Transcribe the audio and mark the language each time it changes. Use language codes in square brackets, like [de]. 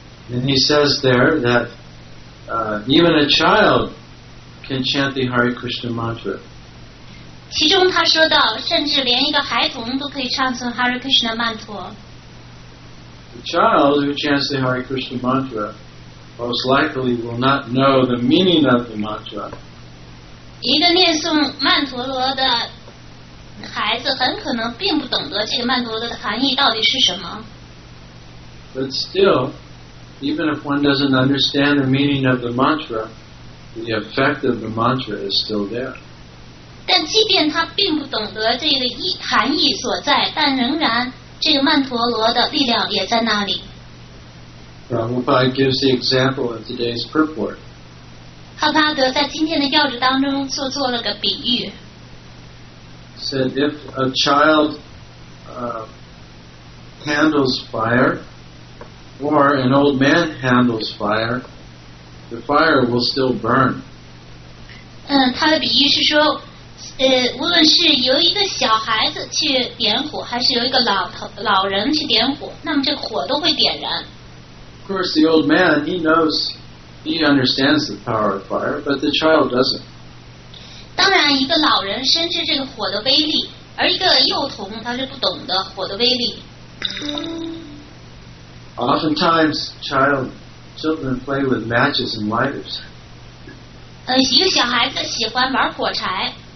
[en] And he says there that even a child can chant the Hare Krishna mantra. [zh] 其中他说到，甚至连一个孩童都可以唱诵 Hare Krishna mantra. [en] The child who chants the Hare Krishna mantra most likely will not know the meaning of the mantra. [zh] 一个念诵曼陀罗的孩子很可能并不懂得这个曼陀罗的含义到底是什么。 [en] But still. Even if one doesn't understand the meaning of the mantra, the effect of the mantra is still there. [zh] 但即便他并不懂得这个含义所在，但仍然这个曼陀罗的力量也在那里。 [en] Prabhupada gives the example in today's purport. [zh] 帕帕德在今天的要旨当中做做了个比喻。 [en] Said if a child handles fire. Or an old man handles fire, the fire will still burn. [zh] 他的比喻是说，无论是由一个小孩子去点火，还是由一个老人去点火，那么这个火都会点燃。 [en] Of course, the old man he understands the power of fire, but the child doesn't. [zh] 当然，一个老人深知这个火的威力，而一个幼童他是不懂得火的威力。 [en] Oftentimes, children play with matches and lighters. [zh] 一个小孩子喜欢玩火柴。